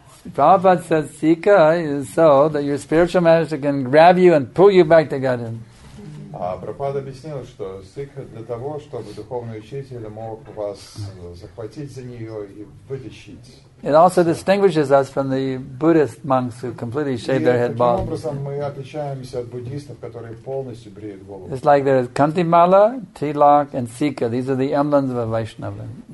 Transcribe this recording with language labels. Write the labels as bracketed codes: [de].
[en] Prabhupada says sikha is so that your spiritual master can grab you and pull you back to Godhead. [ru] Prabhupada объяснил, что сикха для того, чтобы духовный учитель мог вас захватить за нее и вытащить. [en] It also distinguishes us from the Buddhist monks who completely shave their head bald. It's like there is Kantimala, Tilak, and Sikha. These are the emblems of a Vaishnava.